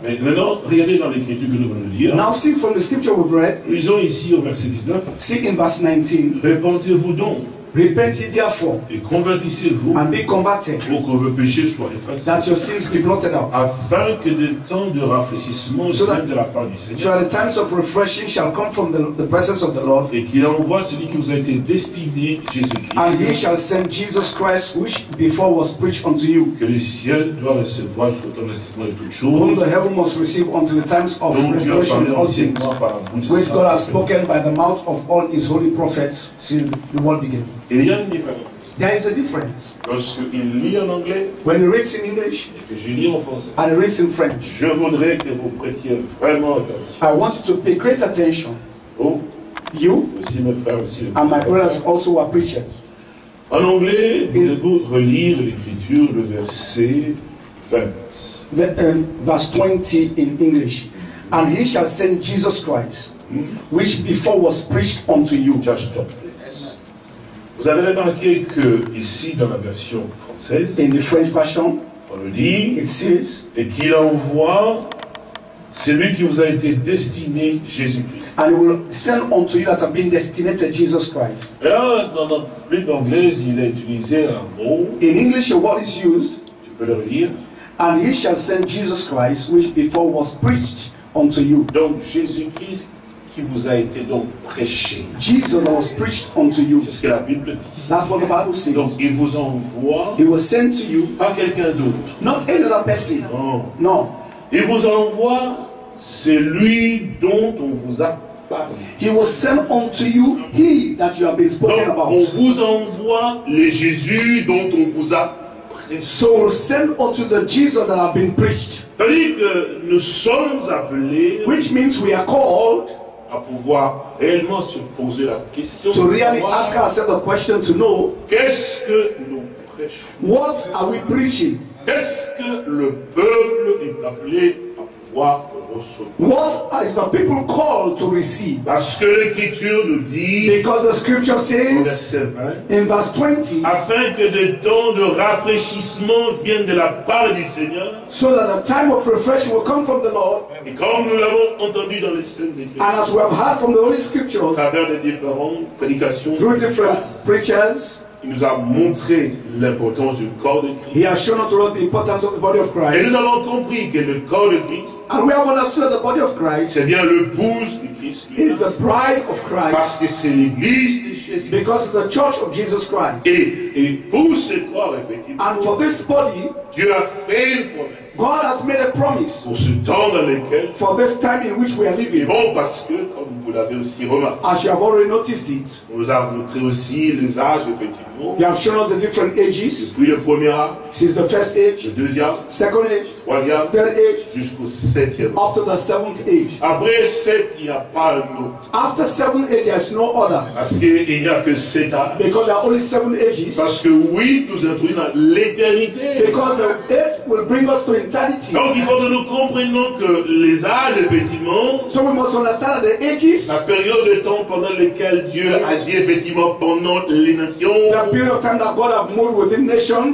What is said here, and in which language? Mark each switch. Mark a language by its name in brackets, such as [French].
[French] Mais maintenant, regardez dans l'écriture que nous venons de lire. [English] Now see from the scripture we've read. [French] Lisons ici au verset 19. [English] See in verse 19. [French] Répondez-vous donc. [English] Repentez therefore. [French] Et convertissez-vous. [English] And be converted. [French] Pour que vos péchés soient effacés. [English] That your sins be blotted out. [French] Afin que des temps de rafraîchissement viennent de la part du Seigneur. [English] So that the times of refreshing shall come from the presence of the Lord. [French] Et qu'il envoie celui qui vous a été destiné, Jésus-Christ. [English] And he shall send Jesus Christ, which before was preached unto you. [French] Que le ciel doit recevoir sous automatiquement de toutes choses. [English] Whom the heaven must receive until the times of refreshing of all things. Which God has spoken by the mouth of all his holy prophets since the world began. [French] Il y a une différence. [English] There is a difference. [French] Lorsque il lit en anglais, [English] when he reads in English, [French] et que je lis en français, [English] and he reads in French, [French] je voudrais que vous prêtiez vraiment attention. [English] I want you to pay great attention. Oh, you, [French] aussi mes frères, aussi mes [English] and my brothers also are preachers. [French] En anglais, vous devez relire l'écriture, le verset 20. [English] Verse 20 in English. And he shall send Jesus Christ, which before was preached unto you. Just stop. [French] Vous avez remarqué que ici dans la version française, [English] in the French version, [French] on le dit, [English] it says, [French] et qu'il envoie celui qui vous a été destiné, Jésus-Christ. [English] And he will send unto you that have been destined to Jesus Christ. [French] Et là, dans la Bible anglaise, il a utilisé un mot. [English] In English, a word is used. [French] Tu peux le relire. [English] And he shall send Jesus Christ, which before was preached unto you. [French] Donc Jésus-Christ. Qui vous a été donc prêché. [English] Jesus was preached unto you. [French] C'est ce que la Bible dit. [English] That's what the Bible says. [French] Donc il vous envoie. [English] He was sent to you. [French] Pas quelqu'un d'autre. [English] Not another person. [French] Non. Il vous envoie celui dont on vous a parlé. [English] He was sent unto you. He that you have been spoken [French] donc, [English] about. [French] On vous envoie le Jésus dont on vous a prêché. [English] So we'll send unto the Jesus that have been preached. [French] C'est-à-dire que nous sommes appelés. [English] Which means we are called. [French] À pouvoir réellement se poser la question. [English] To really ask ourselves the question to know. [French] Qu'est-ce que nous prêchons? [English] What are we preaching? [French] Qu'est-ce que le peuple est appelé à pouvoir recevoir? [English] What is the people called to receive? [French] Parce que l'Écriture nous dit. [English] Because the Scripture says. In verse 20. [French] Afin que des temps de rafraîchissement viennent de la part du Seigneur. [English] So that a time of refreshing will come from the Lord. [French] Et comme nous l'avons entendu dans les scènes d'Écriture, [English] and as we have heard from the Holy Scriptures, [French] à travers les différentes prédications, [English] through different preachers, [French] il nous a montré l'importance du corps de Christ. [English] He has shown us the importance of the body of Christ. [French] Et nous avons compris que le corps de Christ, [English] and we have understood the body of Christ, [French] c'est bien l'épouse de Christ, [English] is the bride of Christ, [French] parce que c'est l'Église de Jésus, [English] because it's the church of Jesus Christ. [French] Et pour ce corps, effectivement, [English] and for this body, [French] Dieu a fait une promesse. [English] God has made a promise [French] pour ce temps dans lequel [English] for this time in which we are living. [French] Bon, parce que, comme vous l'avez aussi remarqué, [English] as you have already noticed it, [French] vous avez montré aussi les âges, effectivement. [English] You have shown us the different ages. [French] Depuis le premier âge, [English] since the first age, [French] le deuxième, [English] second age, [French] troisième, [English] third age, [French] jusqu'au septième, [English] up to the seventh age. [French] Après sept, il n'y a pas un autre. [English] After seven age, there is no other. [French] Parce qu'il n'y a que sept âges. [English] Because there are only seven ages. [French] Parce que oui, nous introduisons dans l'éternité. [English] Because the eighth will bring us to eternity. [French] Donc il faut que nous comprenions que les âges, effectivement, [English] so we must understand the ages, [French] la période de temps pendant laquelle Dieu agit effectivement pendant les nations, [English] the period of time that God has moved within nations,